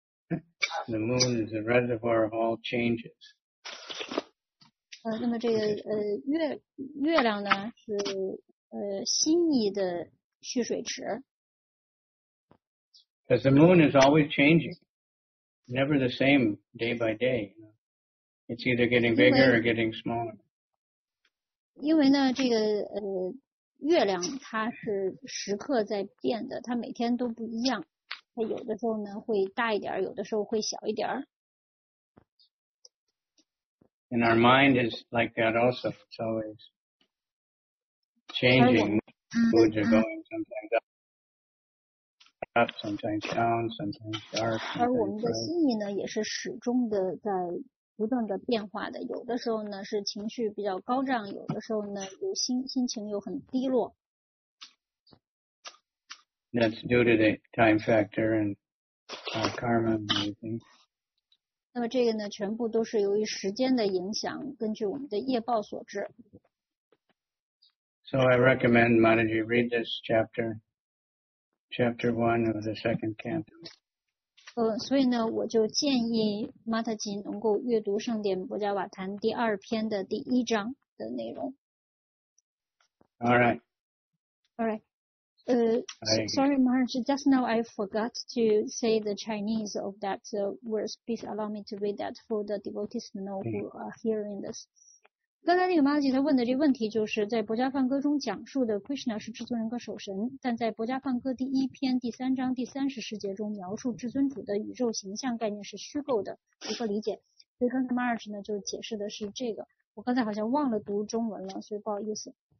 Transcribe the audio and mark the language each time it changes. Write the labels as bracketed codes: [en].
[en] The moon is the reservoir of all changes. [zh] 那么这个月亮呢是心意的蓄水池。 [en] Because the moon is always changing, never the same day by day. It's either getting bigger or getting smaller. [zh] 因为呢，这个月亮它是时刻在变的，它每天都不一样。它有的时候呢会大一点，有的时候会小一点。 [en] And our mind is like that also. It's always changing. Moods are going sometimes up, sometimes down, sometimes dark. Sometimes [zh] 而我们的心意呢，也是始终的在。不断的变化的，有的时候呢是情绪比较高涨，有的时候呢有心情又很低落。 [en] That's due to the time factor and karma and everything. [zh] 那么这个呢，全部都是由于时间的影响，根据我们的业报所致。 [en] So I recommend Mataji read this chapter 1 of the second canto. [zh] 所以呢，我就建议玛塔吉能够阅读《圣典·波迦瓦坛》第二篇的第一章的内容。 [en] All right. Sorry, Maharaj, just now I forgot to say the Chinese of that verse. Please allow me to read that for the devotees to know who are hearing this. [zh] 刚才那个玛塔吉他问的这个问题，就是在《博迦梵歌》中讲述的 Krishna 是至尊人格首神，但在《博迦梵歌》第一篇第三章第三十世节中描述至尊主的宇宙形象概念是虚构的，如何理解？所以刚才玛塔吉呢就解释的是这个，我刚才好像忘了读中文了，所以不好意思。